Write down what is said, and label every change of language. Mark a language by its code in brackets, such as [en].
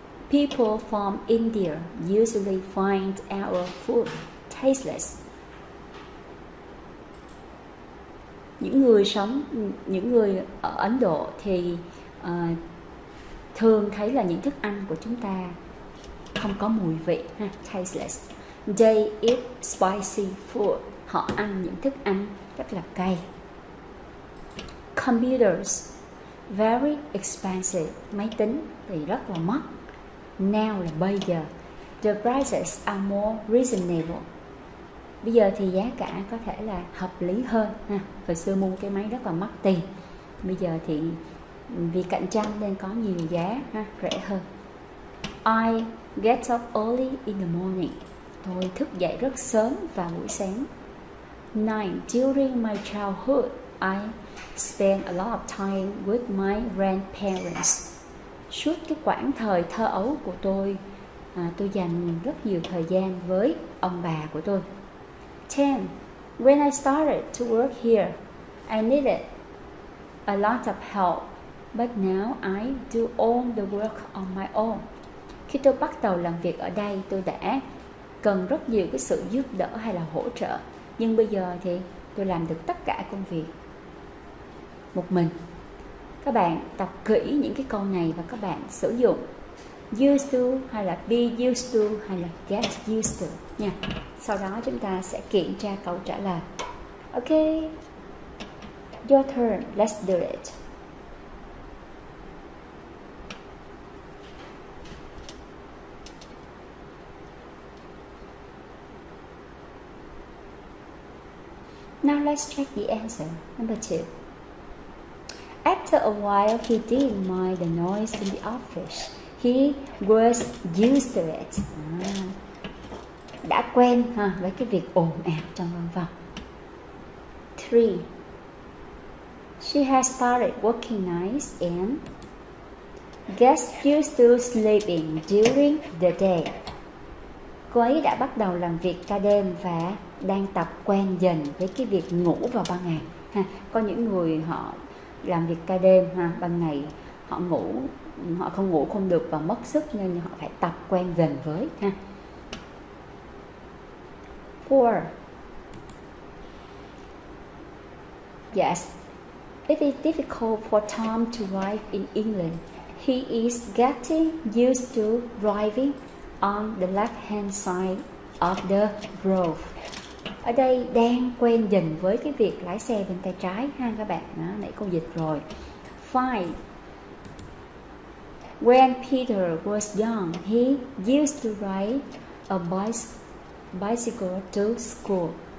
[en] People from India usually find our food tasteless. [vi] Những người ở Ấn Độ thì thường thấy là những thức ăn của chúng ta không có mùi vị ha, tasteless. [en] They eat spicy food. [vi] Họ ăn những thức ăn rất là cay. [en] Computers very expensive. [vi] Máy tính thì rất là mắc. [en] Now [vi] là bây giờ. [en] The prices are more reasonable. [vi] Bây giờ thì giá cả có thể là hợp lý hơn ha. Hồi xưa mua cái máy rất là mắc tiền, bây giờ thì vì cạnh tranh nên có nhiều giá ha, rẻ hơn. [en] I get up early in the morning. [vi] Tôi thức dậy rất sớm vào buổi sáng. [en] 9. During my childhood, I spend a lot of time with my grandparents. [vi] Suốt cái khoảng thời thơ ấu của tôi dành rất nhiều thời gian với ông bà của tôi. [en] 10. When I started to work here, I needed a lot of help, but now I do all the work on my own. [vi] Khi tôi bắt đầu làm việc ở đây, tôi đã cần rất nhiều cái sự giúp đỡ hay là hỗ trợ, nhưng bây giờ thì tôi làm được tất cả công việc một mình. Các bạn tập kỹ những cái câu này và các bạn sử dụng used to hay là be used to hay là get used to nha. Sau đó chúng ta sẽ kiểm tra câu trả lời. [en] Ok, your turn, let's do it. Now let's check the answer. Number 2. After a while, he didn't mind the noise in the office. He was used to it. [vi] Đã quen ha, với cái việc ồn ào trong văn phòng. [en] 3. She has started working nights and gets used to sleeping during the day. [vi] Cô ấy đã bắt đầu làm việc ca đêm và đang tập quen dần với cái việc ngủ vào ban ngày. Ha, có những người họ làm việc ca đêm ha, ban ngày họ ngủ, họ không ngủ không được và mất sức nên họ phải tập quen dần với ha. [en] 4. Yes. It is difficult for Tom to drive in England. He is getting used to driving on the left-hand side of the road. [vi] Ở đây đang quen dần với cái việc lái xe bên tay trái ha các bạn. Đó, nãy cô dịch rồi. 5. [en] When Peter was young, he used to ride a bicycle to school.